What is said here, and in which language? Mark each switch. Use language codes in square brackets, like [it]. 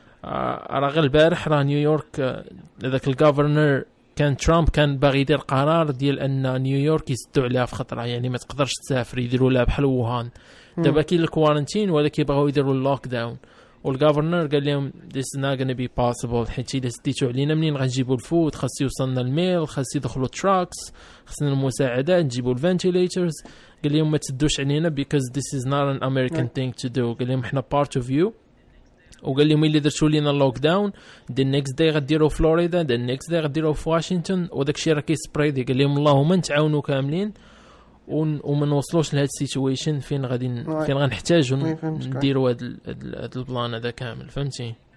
[ar] راه غير البارح راه نيويورك هذاك الغوفرنر كان ترامب كان باغي يدير قرار ديال ان نيويورك يسدوا عليها في خطره يعني ما تقدرش تسافر يديروا لها بحال ووهان. دابا كاين الكوارنتين ولا كيبغاو يديروا اللوك داون والغوفرنر قال لهم [en] this is not gonna be possible [ar] حيت إذا سديتو علينا منين غنجيبو الفود خاص يوصلنا الميل خاص يدخلو التراكس خاصنا المساعدة نجيبو الفنتيليترز. قال لهم ما تدوش علينا [en] because this is not an American thing to do. [ar] قال لهم احنا [en] part of you. [ar] وقال لهم اللي درتو لينا اللوكداون [en] the next day [ar] غديرو فلوريدا the next day غديرو في واشنطن وداك الشيء راه كيسبريد. قال لهم اللهم نتعاونو كاملين وما نوصلوش لهاد السيتويشن فين غادي فين غنحتاجو نديرو هاد البلان هذا كامل فهمتي.